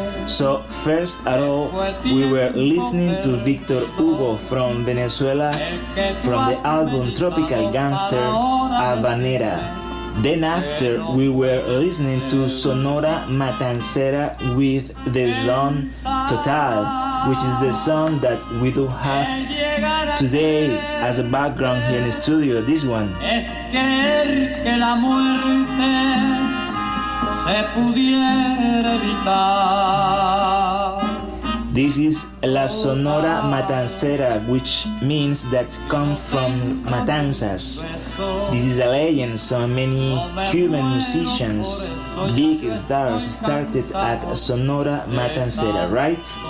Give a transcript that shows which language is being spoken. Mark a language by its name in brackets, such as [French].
[English] So first of all, we were listening to Victor Hugo from Venezuela from the album Tropical Gangster, Habanera. Then after, we were listening to Sonora Matancera with the song Total, which is the song that we do have today as a background here in the studio, this one. [Spanish] Es creer que la muerte se pudiera evitar. [English] This is La Sonora Matancera, which means that comes from Matanzas. This is a legend, so many Cuban musicians, big stars, started at Sonora Matancera, right?